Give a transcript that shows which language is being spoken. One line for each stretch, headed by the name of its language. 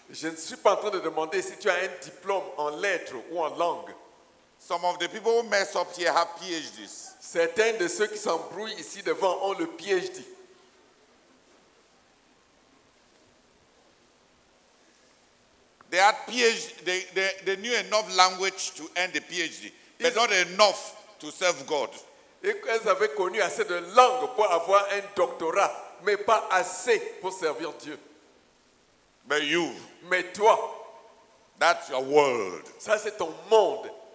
French: Je ne suis pas en train de demander si tu as un diplôme en lettres ou en langue.
English: Some of the people who mess up here have PhDs.
French: Certains de ceux qui s'embrouillent ici devant ont le PhD.
English: They had PhD. They knew enough language to earn the PhD. But not enough to serve God.
French: Ils avaient connu assez de langues pour avoir un doctorat, mais pas assez pour servir Dieu.
English: But you,
French: mais toi,
English: that's your world.
French: Ça c'est ton monde.